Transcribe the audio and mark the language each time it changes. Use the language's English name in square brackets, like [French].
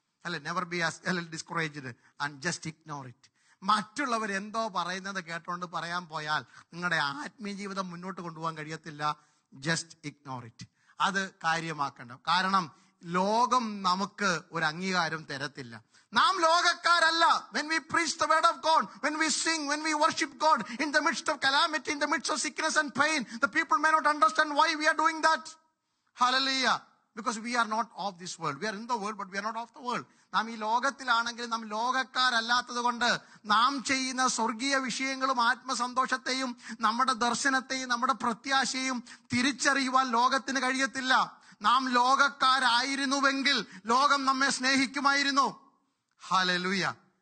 [English] അല്ലെ, never be as discouraged and just ignore it. [Malayalam] മറ്റുള്ളവർ എന്തോ പറയുന്നത് കേട്ടുകൊണ്ട് പറയാൻ പോയാൽ നിങ്ങളുടെ ആത്മീയ ജീവിതം മുന്നോട്ട് കൊണ്ടുപോകാൻ കഴിയത്തില്ല. [English] Just ignore it. [Malayalam] അത് കാര്യമാക്കണം. കാരണം ലോകം നമുക്ക് ഒരു അംഗീകാരം തരത്തില്ല. നാം ലോകക്കാരല്ല. [English] When we preach the word of God, when we sing, when we worship God in the midst of calamity, in the midst of sickness and pain, the people may not understand why we are doing that. Hallelujah. Because we are not of this world. We are in the world, but we are not of the world. [Malayalam] നാം ഈ ലോകത്തിലാണെങ്കിലും നാം ലോകക്കാരല്ലാത്തത് കൊണ്ട് നാം ചെയ്യുന്ന സ്വർഗീയ വിഷയങ്ങളും ആത്മസന്തോഷത്തെയും നമ്മുടെ ദർശനത്തെയും നമ്മുടെ പ്രത്യാശയും തിരിച്ചറിയുവാൻ ലോകത്തിന് കഴിയത്തില്ല. നാം ലോകക്കാരായിരുന്നുവെങ്കിൽ ലോകം നമ്മെ സ്നേഹിക്കുമായിരുന്നു. Hallelujah.